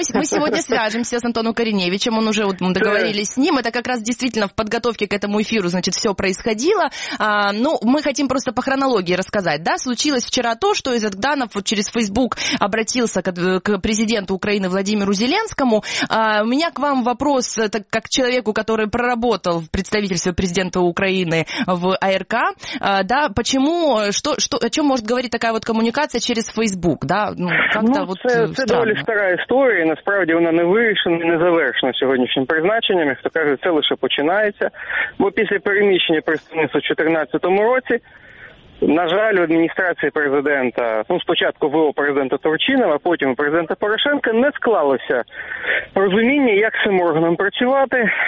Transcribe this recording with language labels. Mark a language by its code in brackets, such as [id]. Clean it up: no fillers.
[uk] Ми сьогодні зв'яжемося з Антоном Кириневичем. Він уже договорились з ним. [ru] Это как раз действительно в подготовке к этому эфиру, значит, все происходило. Мы хотим просто по хронологии рассказать. Да, случилось вчера то, что из Данов вот через Facebook обратился к президенту Украины Владимиру Зеленскому. У меня к вам вопрос, так как человеку, который проработал в представительстве президента Украины в АРК, почему. О чем может говорить такая вот коммуникация через Facebook, да? [uk] Це доволі стара історія, насправді вона не вирішена, не завершена сьогоднішнім призначенням. Хто каже, це лише починається. Бо після переміщення представництва в 2014 році, на жаль, в адміністрації президента, спочатку в.о. президента Турчинова, потім президента Порошенка, не склалося розуміння, як цим органом працювати.